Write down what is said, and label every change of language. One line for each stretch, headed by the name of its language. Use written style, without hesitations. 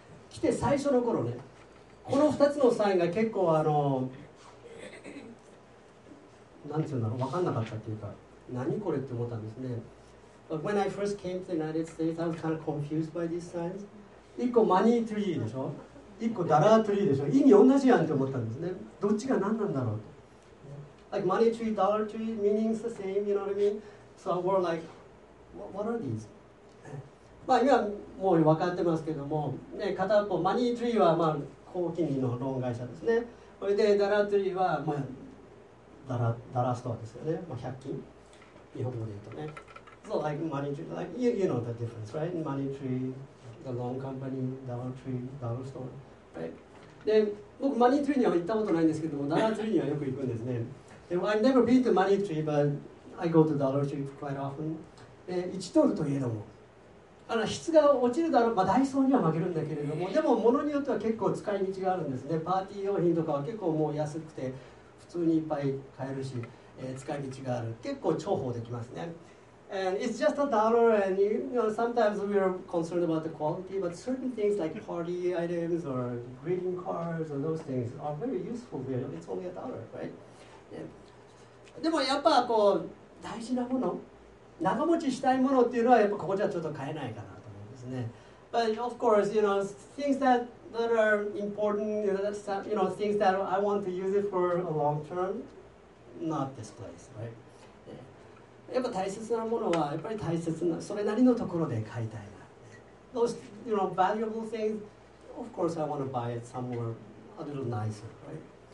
Japanese: 来て最初の頃ね、この2つのサインが結構あの、なんていうんだろう、分かんなかったっていうか、何これって思ったんですね。
English: But when I first came to the United States, I was kind of confused by these signs.
Japanese: 一個マニートリーでしょ、一個ダラートリーでしょ、意味同じやんって思ったんですね。どっちが何なんだろうと。
English: Like money tree, dollar tree, meaning's the same, you know what I mean? So we're like, what are these?
Japanese: まあ今もう分かってますけども、ね、片っぽ、マニートリーはまあ高金利のローン会社ですね。それでダラートリーはまあダラストアですよね。まあ100均。日本語で言うとね。
English: So like money tree, like you know the difference, right? Money tree, the loan company, dollar tree, dollar store, right?
Japanese: で、僕マニートリーには行ったことないんですけども、ダラートリーにはよく行くんですね。
English: I've never been to Money Tree, but I go to Dollar Tree quite often.
Japanese: 1ドルといえども、あの質が落ちるだろう、まあ、ダイソーには負けるんだけれども、でも物によっては結構使い道があるんですね。パーティー用品とかは結構もう安くて、普通にいっぱい買えるし、使い道がある。結構重宝できますね。
English: And it's just a dollar, and you know, sometimes we are concerned about the quality, but certain things like party items or greeting cards or those things are very useful here. It's only a dollar, right?
Japanese: でもやっぱこう大事なもの、長持ちしたいものっていうのはやっぱここじゃちょっと買えないかなと思うんですね。
English: But of course, you know, things that are important, you know, things that I want to use it for a long term, not this place, right?
Japanese: やっぱ大切なものはやっぱり大切な、それなりのところで買いたいな。
English: Those, you know, valuable things, of course, I want to buy it somewhere a little nicer, right?